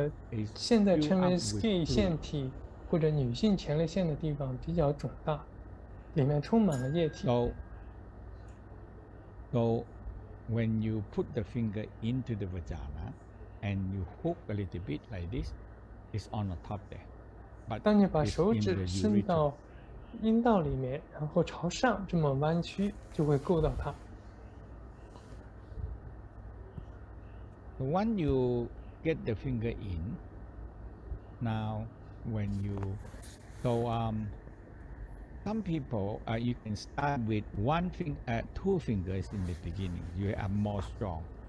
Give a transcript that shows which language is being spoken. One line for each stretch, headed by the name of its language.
Chinese: 这个现在称为 ski 腺体 或者女性前列腺的地方比较肿大 里面充满了液体
English: So when you put the finger into the vagina and you hook a little bit like this it's on the top there but
Chinese: 当你把手指伸到阴道里面 然后朝上这么弯曲 就会够到它
English: When you get the finger in now when you so some people you can start with one finger two fingers in the beginning you are more strong